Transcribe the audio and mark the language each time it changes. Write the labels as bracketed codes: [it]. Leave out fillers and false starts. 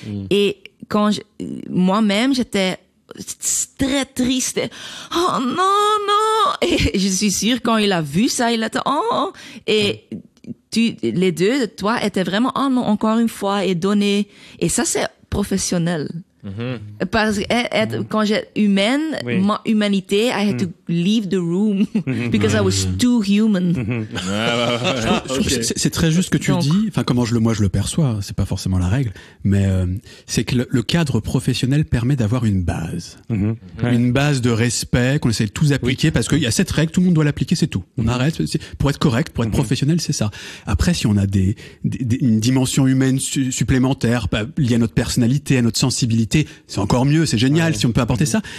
[fr] Et quand moi-même, j'étais très triste. Oh non. Et je suis sûre, quand il a vu ça, il a dit, oh. Et les deux, toi, étaient vraiment, oh non, encore une fois, et donné. Et ça, c'est professionnel. Parce que quand j'étais humaine, oui. Ma humanité, [en] I had to leave the room because I was too human. [fr] C'est très juste ce que tu dis. Enfin, comment je le perçois, c'est pas forcément la règle, mais c'est que le cadre professionnel permet d'avoir une base, une base de respect qu'on essaie de tous appliquer, parce qu'il y a cette règle, tout le monde doit l'appliquer, c'est tout. On arrête pour être correct, pour être professionnel, c'est ça. Après, si on a une dimension humaine supplémentaire liée à notre personnalité, à notre sensibilité, c'est encore mieux, c'est génial si on peut apporter ça.